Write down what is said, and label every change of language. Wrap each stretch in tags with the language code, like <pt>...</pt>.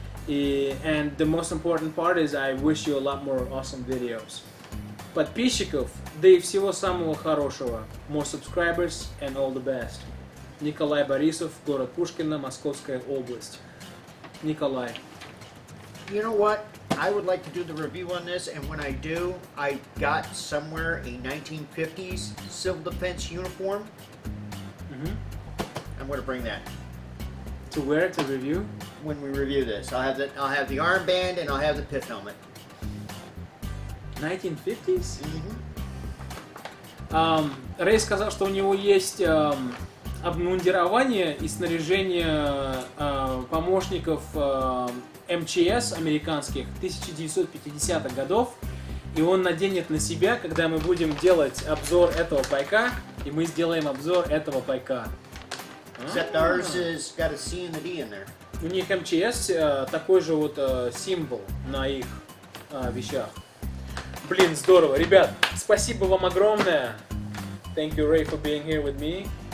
<en>And the most important part is I wish you a lot more awesome videos.</en> <ru>Подписчиков, да и всего самого хорошего.</ru> <en>More subscribers and all the best.</en> <ru>Николай Борисов, город Пушкино, Московская область. Николай.</ru> <en>You know what? I would like to do the review on this, and when I do, I got somewhere a 1950s civil defense uniform. Mm-hmm. I'm going to bring that. To wear to review? When we review this. I'll have the armband and I'll have the pith helmet. 1950s? Mm-hmm.</en> <ru>Рэй сказал, что у него есть обмундирование и снаряжение помощников МЧС американских 1950-х годов. И он наденет на себя, когда мы будем делать обзор этого пайка. И мы сделаем обзор этого пайка.</ru> <en>Except ours has got a C and a D in there.</en> <ru>У них МЧС такой же вот символ на их вещах. Блин, здорово. Ребят, спасибо вам огромное.</ru> <en>Thank you, Ray, for being here with me.</en>